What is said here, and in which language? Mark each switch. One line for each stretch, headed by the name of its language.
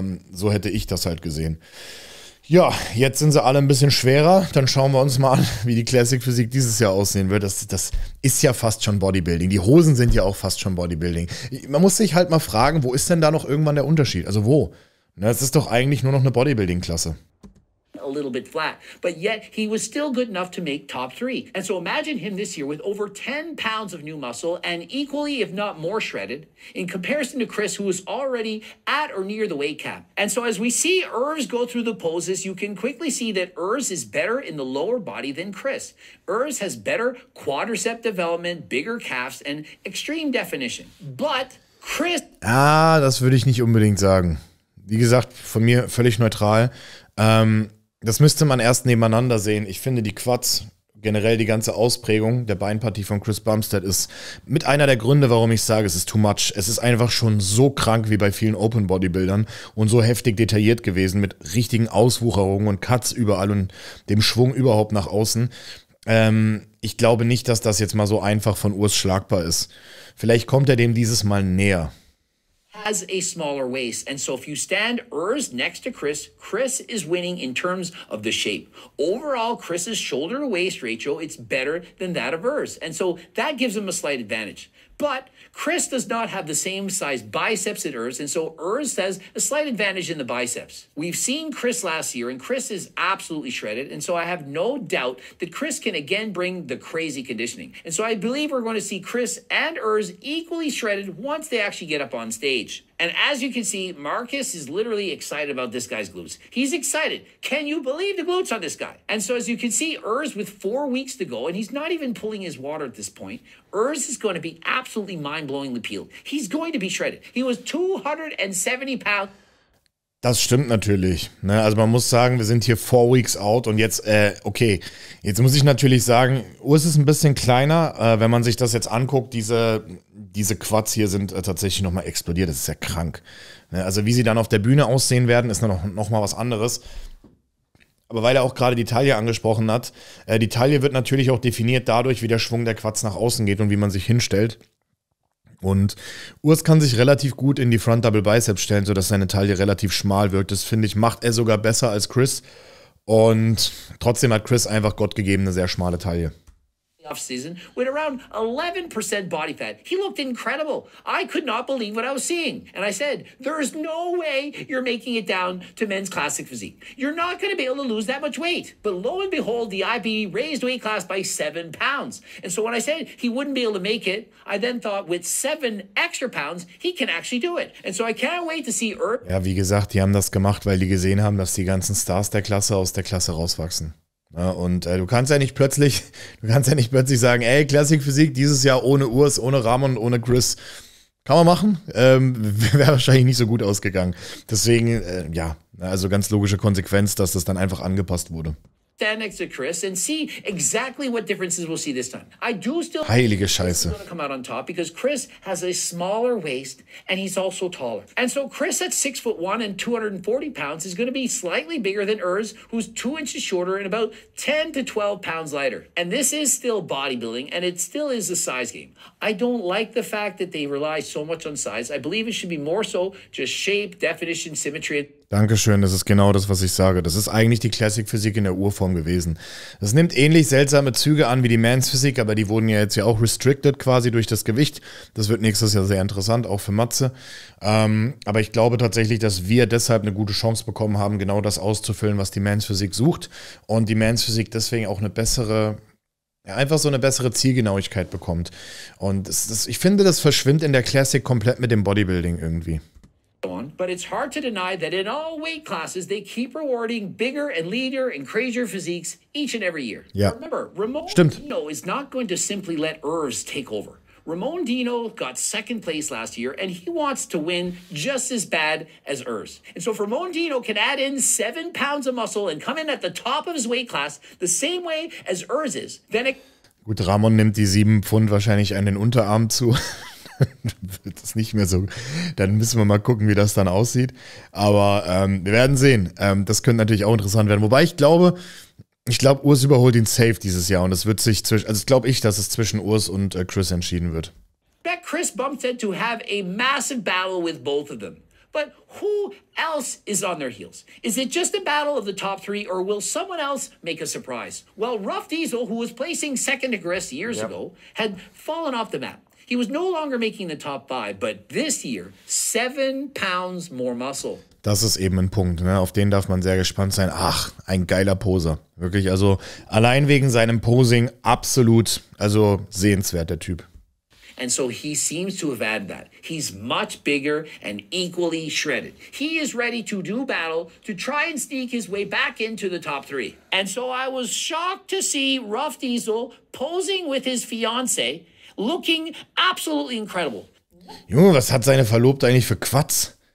German: So hätte ich das halt gesehen. Ja, jetzt sind sie alle ein bisschen schwerer. Dann schauen wir uns mal an, wie die Classic Physik dieses Jahr aussehen wird. Das ist ja fast schon Bodybuilding. Die Hosen sind ja auch fast schon Bodybuilding. Man muss sich halt mal fragen, wo ist denn da noch irgendwann der Unterschied? Also wo? Das ist doch eigentlich nur noch eine Bodybuilding-Klasse.
English: A little bit flat, but yet he was still good enough to make top three. And so imagine him this year with over 10 pounds of new muscle and equally, if not more, shredded in comparison to Chris, who was already at or near the weight cap. And so as we see Urs go through the poses, you can quickly see that Urs is better in the lower body than Chris. Urs has better quadricep development, bigger calves, and extreme definition. But Chris...
German: Ah, das würde ich nicht unbedingt sagen. Wie gesagt, von mir völlig neutral. Das müsste man erst nebeneinander sehen. Ich finde, die Quads, generell die ganze Ausprägung der Beinpartie von Chris Bumstead ist mit einer der Gründe, warum ich sage, es ist
English: too much.
German: Es ist einfach schon so krank wie bei vielen Open Bodybuildern und so heftig detailliert gewesen mit richtigen Auswucherungen und Cuts überall und dem Schwung überhaupt nach außen. Ich glaube nicht, dass das jetzt mal so einfach von Urs schlagbar ist. Vielleicht kommt er dem dieses Mal näher.
English: Has a smaller waist, and so if you stand Urs next to Chris, Chris is winning in terms of the shape. Overall, Chris's shoulder to waist ratio, it's better than that of Urs, and so that gives him a slight advantage. But Chris does not have the same size biceps as Urs, and so Urs has a slight advantage in the biceps. We've seen Chris last year, and Chris is absolutely shredded, and so I have no doubt that Chris can again bring the crazy conditioning. And so I believe we're going to see Chris and Urs equally shredded once they actually get up on stage. And as you can see, Marcus is literally excited about this guy's glutes. He's excited. Can you believe the glutes on this guy? And so as you can see, Urs with 4 weeks to go, and he's not even pulling his water at this point, Urs is going to be absolutely mind-blowingly peeled. He's going to be shredded. He was 270 pounds.
German: Das stimmt natürlich. Ne? Also man muss sagen, wir sind hier
English: 4 weeks out
German: und jetzt, okay, jetzt muss ich natürlich sagen, US ist ein bisschen kleiner, wenn man sich das jetzt anguckt, diese Quads hier sind tatsächlich nochmal explodiert, das ist ja krank. Ne? Also wie sie dann auf der Bühne aussehen werden, ist nochmal was anderes. Aber weil er auch gerade die Taille angesprochen hat, die Taille wird natürlich auch definiert dadurch, wie der Schwung der Quads nach außen geht und wie man sich hinstellt. Und Urs kann sich relativ gut in die Front Double Biceps stellen, sodass seine Taille relativ schmal wirkt. Das, finde ich, macht er sogar besser als Chris. Und trotzdem hat Chris einfach gottgegebene, sehr schmale Taille.
English: Offseason with around 11% body fat. He looked incredible. I could not believe what I was seeing. And I said, there is no way you're making it down to men's classic physique. You're not going to be able to lose that much weight. But lo and behold, the IBE raised weight class by 7 pounds. And so when I said he wouldn't be able to make it, I then thought with 7 extra pounds, he can actually do it. And so I can't wait to see Erb.
German: Ja, wie gesagt, die haben das gemacht, weil die gesehen haben, dass die ganzen Stars der Klasse aus der Klasse rauswachsen. Ja, und du kannst ja nicht plötzlich sagen, ey, Classic Physik dieses Jahr ohne Urs, ohne Ramon, ohne Chris. Kann man machen, wäre wahrscheinlich nicht so gut ausgegangen. Deswegen, also ganz logische Konsequenz, dass das dann einfach angepasst wurde.
English: Stand next to Chris and see exactly what differences we'll see this time. I do still
German: heilige Scheiße
English: come out on top because Chris has a smaller waist and he's also taller. And so Chris at 6'1" and 240 pounds is going to be slightly bigger than Urs, who's 2 inches shorter and about 10 to 12 pounds lighter. And this is still bodybuilding and it still is a size game. I don't like the fact that they rely so much on size. I believe it should be more so just shape, definition, symmetry.
German: Dankeschön, das ist genau das, was ich sage. Das ist eigentlich die Classic-Physik in der Urform gewesen. Das nimmt ähnlich seltsame Züge an wie die Mans-Physik, aber die wurden ja jetzt ja auch restricted quasi durch das Gewicht. Das wird nächstes Jahr sehr interessant, auch für Matze. Aber ich glaube tatsächlich, dass wir deshalb eine gute Chance bekommen haben, genau das auszufüllen, was die Mans-Physik sucht. Und die Mans-Physik deswegen auch eine bessere, einfach so eine bessere Zielgenauigkeit bekommt. Und ich finde, das verschwimmt in der Classic komplett mit dem Bodybuilding irgendwie.
English: But it's hard to deny that in all weight classes, they keep rewarding bigger and leaner and crazier physiques each and every year. Yeah. Remember, Ramon Dino is not going to simply let Urs take over. Ramon Dino got second place last year, and he wants to win just as bad as Urs. And so if Ramon Dino can add in 7 pounds of muscle and come in at the top of his weight class the same way as Urs is, then it...
German: Gut, Ramon nimmt die 7 Pfund wahrscheinlich an den Unterarm zu. Das ist nicht mehr so. Dann müssen wir mal gucken, wie das dann aussieht. Aber wir werden sehen. Das könnte natürlich auch interessant werden. Wobei ich glaube, Urs überholt ihn safe dieses Jahr. Und es wird sich zwischen, also glaube ich, dass es zwischen Urs und Chris entschieden wird.
English: Bet Chris bumps it to have a massive battle with both of them. But who else is on their heels? Is it just a battle of the top three, or will someone else make a surprise? Well, Ruff Diesel, who was placing second to Chris years ago, had fallen off the map. He was no longer making the top 5, but this year 7 pounds more muscle.
German: Das ist eben ein Punkt, ne? Auf den darf man sehr gespannt sein. Ach, ein geiler Poser. Wirklich, also allein wegen seinem Posing absolut, also sehenswert der Typ.
English: And so he seems to have added that. He's much bigger and equally shredded. He is ready to do battle to try and sneak his way back into the top 3. And so I was shocked to see Ruff Diesel posing with his fiance. Looking absolutely incredible.
German: Junge, was hat seine Verlobte eigentlich für Quatsch?